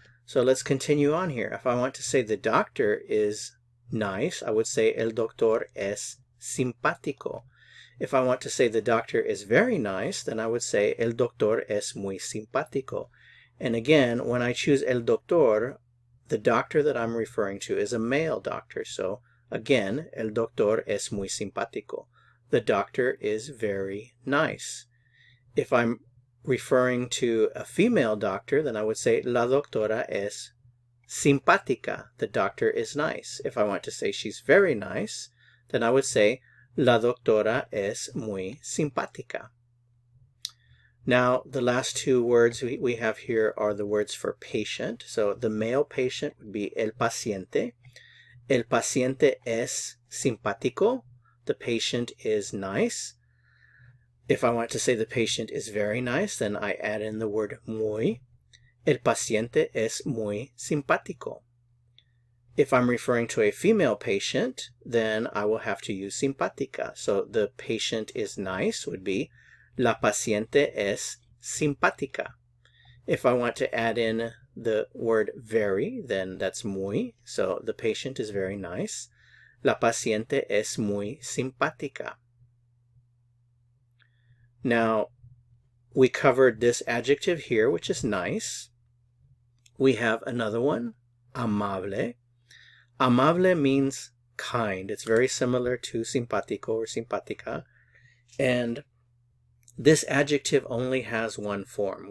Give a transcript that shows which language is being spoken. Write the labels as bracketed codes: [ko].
[en] So let's continue on here. If I want to say the doctor is nice, I would say, [es] el doctor es simpático. [en] If I want to say the doctor is very nice, then I would say [es] el doctor es muy simpático. [en] And again, when I choose el doctor, the doctor that I'm referring to is a male doctor. So again, [es] el doctor es muy simpático. [en] The doctor is very nice. If I'm referring to a female doctor, then I would say [es] la doctora es simpática. [en] The doctor is nice. If I want to say she's very nice, then I would say [es] la doctora es muy simpática. [en] Now, the last two words we have here are the words for patient. So the male patient would be el paciente. [es] El paciente es simpático. [en] The patient is nice. If I want to say the patient is very nice, then I add in the word muy. [es] El paciente es muy simpático. [en] If I'm referring to a female patient, then I will have to use simpática. So the patient is nice would be [es] la paciente es simpática. [en] If I want to add in the word very, then that's muy. So the patient is very nice. [es] La paciente es muy simpática. [en] Now, we covered this adjective here, which is nice. We have another one, amable. Amable means kind. It's very similar to simpático or simpática. And this adjective only has one form.